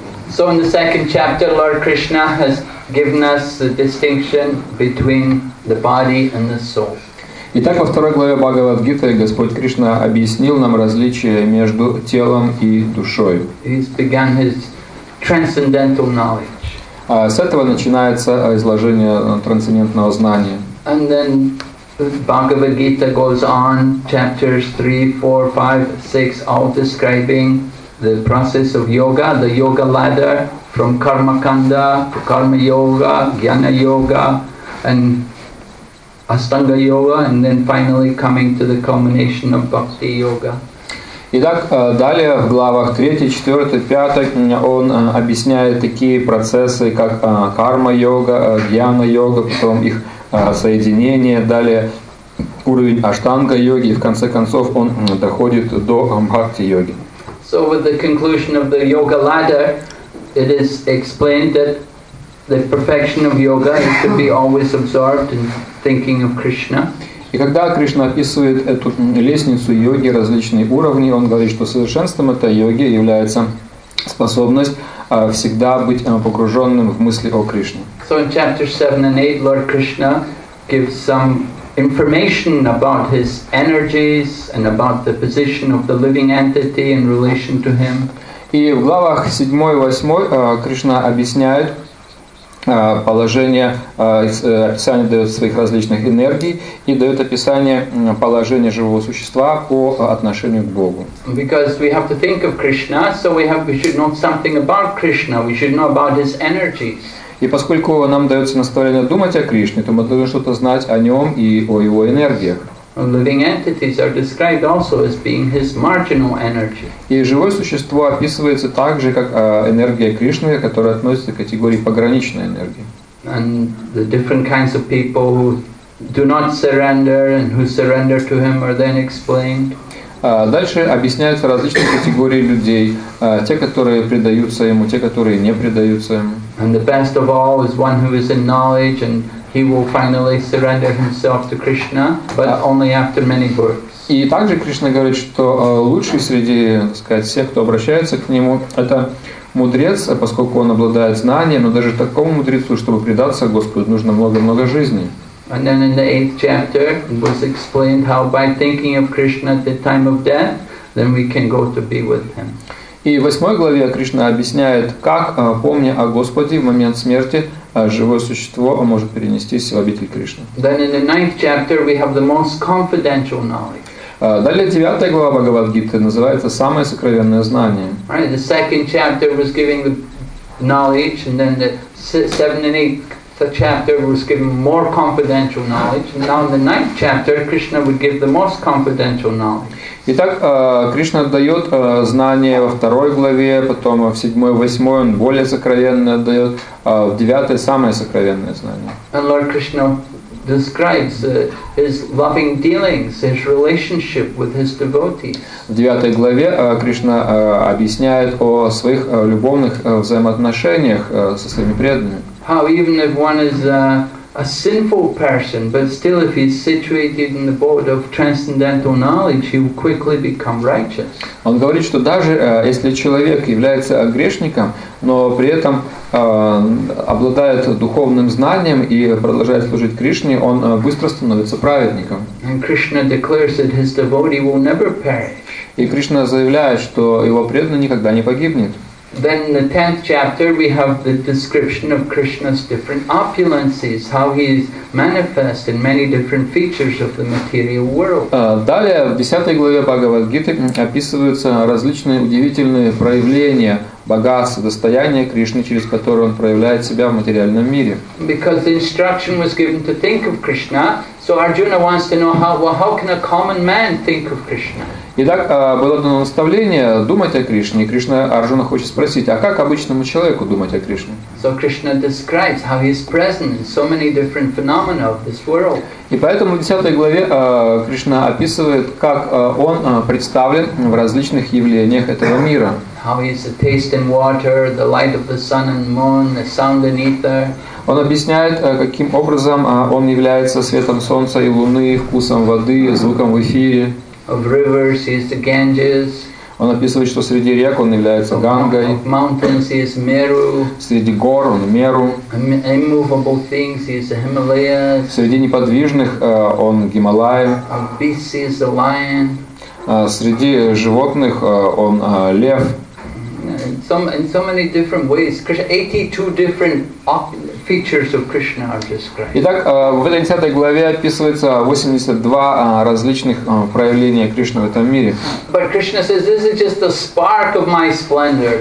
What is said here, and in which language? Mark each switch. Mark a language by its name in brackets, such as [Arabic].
[English] So in the second chapter Lord Krishna has given us the distinction between the body and the soul. [Russian] Итак, во второй главе Бхагавад-гиты Господь Кришна объяснил нам различие между телом и душой. [English] He's begun his transcendental knowledge. [Russian] С этого начинается изложение трансцендентного знания. [English] And then Bhagavad-gita goes on, chapters 3, 4, 5, 6, all describing the process of yoga, the yoga ladder, from Karmakanda to Karma Yoga, Jnana Yoga, and Astanga Yoga, and then finally coming to the culmination of Bhakti Yoga. [Russian] Итак, далее в главах 3, 4, 5 он объясняет такие процессы, как карма-йога, гьяна-йога, потом их соединение, далее уровень аштанга-йоги, и в конце концов он доходит до бхакти-йоги. [English] So with the conclusion of the yoga ladder, it is explained that the perfection of yoga is to be always absorbed in thinking of Krishna. [Russian] И когда Кришна описывает эту лестницу йоги, различные уровни, он говорит, что совершенством этой йоги является способность всегда быть погруженным в мысли о Кришне. [English] So in chapter 7 and 8, Lord Krishna gives some information about his energies and about the position of the living entity in relation to him. [Russian] И в главах 7 и 8 Кришна объясняет положение, описание дает своих различных энергий и дает описание положения живого существа по отношению к Богу. [English] Because we have to think of Krishna, so we should know something about Krishna, we should know about his energies. [Russian] И поскольку нам дается наставление думать о Кришне, то мы должны что-то знать о нем и о его энергиях. [English] Living entities are described also as being his marginal energy. [Russian] И живое существо описывается также как энергия Кришны, которая относится к категории пограничной энергии. [English] And the different kinds of people who do not surrender and who surrender to him are then explained. [Russian] Дальше объясняются различные категории людей, те, которые предаются ему, те, которые не предаются ему. [English] And the best of all is one who is in knowledge and he will finally surrender himself to Krishna, but only after many births. [Russian] И также Кришна говорит, что лучший среди, так сказать, всех, кто обращается к нему, это мудрец, поскольку он обладает знанием, но даже такому мудрецу, чтобы предаться Господу, нужно много-много жизни. [English] And then in the 8th chapter was explained how by thinking of Krishna at the time of death, then we can go to be with him. [Russian] И в 8 главе Кришна объясняет, как, помня о Господе в момент смерти, живое существо может перенестись в обитель Кришны. [English] Then in the 9th chapter we have the most confidential knowledge. [Russian] Далее 9 глава Бхагавад-гиты называется самое сокровенное знание. [English] Right, the 2nd chapter was giving the knowledge, and then the 7th and 8th chapter was giving more confidential knowledge, and now in the 9th chapter Krishna would give the most confidential knowledge. [Russian] Итак, Кришна дает знания во второй главе, потом в 7, 8 он более сокровенное дает, в 9 самое сокровенное знание. [English] And Lord Krishna describes his loving dealings, his relationship with his devotees. [Russian] В 9 главе Кришна объясняет о своих любовных взаимоотношениях со своими преданными. [English] How even if one is a sinful person, but still if he's situated in the boat of transcendental knowledge, he will quickly become righteous. [Russian] Он говорит, что даже если человек является грешником, но при этом обладает духовным знанием и продолжает служить Кришне, он быстро становится праведником. [English] And Krishna declares that his devotee will never perish. [Russian] И Кришна заявляет, что его преданный никогда не погибнет. [English] Then in the 10th chapter we have the description of Krishna's different opulences, how he is manifest in many different features of the material world. [Russian] Далее в 10 главе Бхагавад-гиты описываются различные удивительные проявления богатства, достояния Кришны, через которые он проявляет себя в материальном мире. [English] Because the instruction was given to think of Krishna, so Arjuna wants to know how can a common man think of Krishna? [Russian] Итак, было дано наставление думать о Кришне, и Кришна Арджуна хочет спросить, а как обычному человеку думать о Кришне? [English] So Krishna describes how he is present in so many different phenomena of this world. [Russian] И поэтому в 10 главе Кришна описывает, как он представлен в различных явлениях этого мира. [English] How he is a taste in water, the light of the sun and moon, the sound in ether. [Russian] Он объясняет, каким образом он является светом солнца и луны, вкусом воды, звуком в эфире. [English] Of rivers, he is the Ganges. [Russian] Он описывает, что среди рек он является Гангой. [English] Mountains is Meru. [Russian] Среди гор он Меру. [English] Immovable things is Himalaya. [Russian] Среди неподвижных он Гималая. [English] Beast is the lion. [Russian] Среди животных он лев. [English] In so many different ways. 82 different features of Krishna are described. [Russian] Итак, в этой 10 главе описывается 82 различных проявления Кришны в этом мире. [English] But Krishna says, this is just a spark of my splendor.